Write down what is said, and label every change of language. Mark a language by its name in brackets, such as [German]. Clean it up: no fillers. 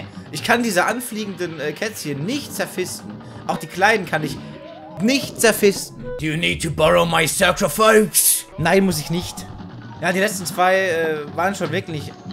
[German] Ich kann diese anfliegenden Kätzchen nicht zerfisten. Auch die kleinen kann ich nicht zerfisten. [English] Do you need to borrow my sacrifice? [German] Nein, muss ich nicht. Ja, die letzten zwei waren schon wirklich...